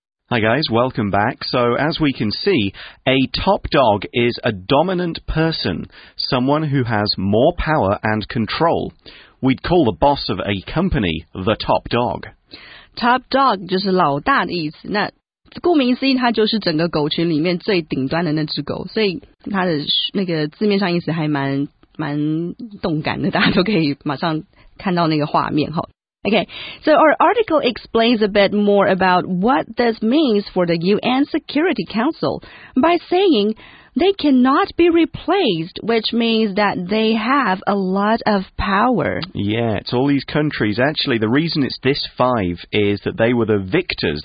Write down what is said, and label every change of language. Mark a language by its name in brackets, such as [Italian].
[English] Hi guys, welcome back. So as we can see, a top dog is a dominant person, someone who has more power and control. We'd call the boss of a company the top dog. [Chinese] Top dog 就是老大的意思，那顾名思义，它就是整个狗群里面最顶端的那只狗，所以它的那个字面上意思还蛮动感的，大家都可以马上看到那个画面哈。 [English] Okay, so our article explains a bit more about what this means for the UN Security Council by saying they cannot be replaced, which means that they have a lot of power. Yeah, it's all these countries. Actually, the reason it's this five is that they were the victors.